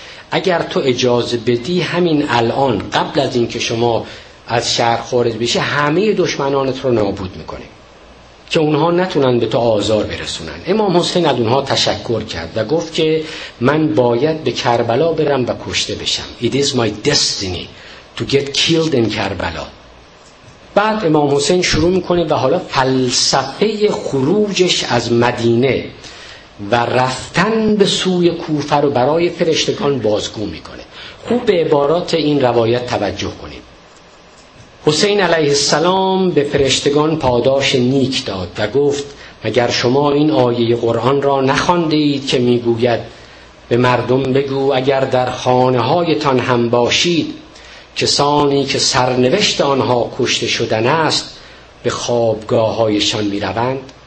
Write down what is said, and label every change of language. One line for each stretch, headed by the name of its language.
Persian: اگر تو اجازه بدی همین الان قبل از اینکه شما از شهر خارج بشی همه دشمنانت رو نابود میکنیم که اونها نتونن به تو آزار برسونن. امام حسین از اونها تشکر کرد و گفت که من باید به کربلا برم و کشته بشم.
English: It is my destiny to get killed in Karbala.
Persian: بعد امام حسین شروع میکنه و حالا فلسفه خروجش از مدینه و رفتن به سوی کوفه رو برای فرشتگان بازگو میکنه. خوب به عبارات این روایت توجه کنیم. حسین علیه السلام به فرشتگان پاداش نیک داد و گفت مگر شما این آیه قرآن را نخوانده اید که میگوید به مردم بگو اگر در خانه هایتان هم باشید کسانی که سرنوشت آنها کشته شدن است به خوابگاه هایشان می روند؟